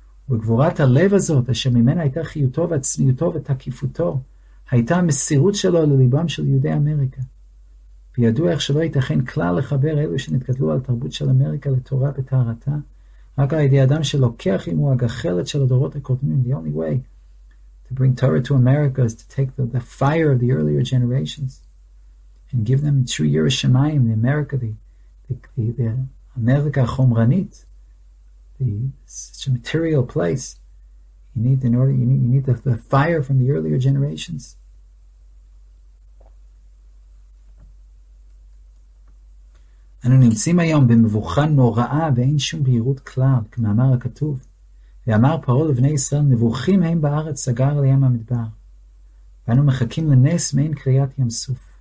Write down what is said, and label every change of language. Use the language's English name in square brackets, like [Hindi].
[Hebrew] וגבורת הלב הזאת, אשר ממנה הייתה חיותו ועצמיותו ותקיפותו, הייתה המסירות שלו לליבם של יהודי אמריקה. וידוע איך שלא ייתכן כלל לחבר אלו שנתגדלו על תרבות של אמריקה לתורה בטהרתה, רק על ידי אדם שלוקח עם הוא הגחלת של הדורות הקודמים. [English] The only way to bring Torah to America is to take the fire of the earlier generations and give them to Yerushamayim, the America, the America החומרנית, such a material place. You need the fire from the earlier generations. [Hebrew] אנו נמצאים היום במבוכה נוראה ואין שום בהירות כלל, כמאמר הכתוב. ואמר פרעה לבני ישראל, נבוכים הם בארץ סגר לים המדבר. ואנו מחכים לנס מעין קריאת ים סוף.